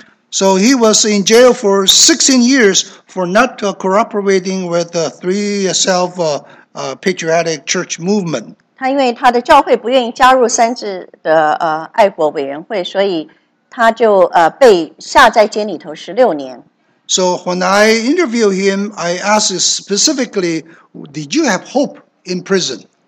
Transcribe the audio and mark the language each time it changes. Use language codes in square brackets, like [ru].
[en] So he was in jail for 16 years for not cooperating with the three self patriotic church movement. [zh] 他因为他的教会不愿意加入三自的爱国委员会，所以他就被下在监里头16年。 [en] So when I interview him, I ask specifically, did you have hope in prison?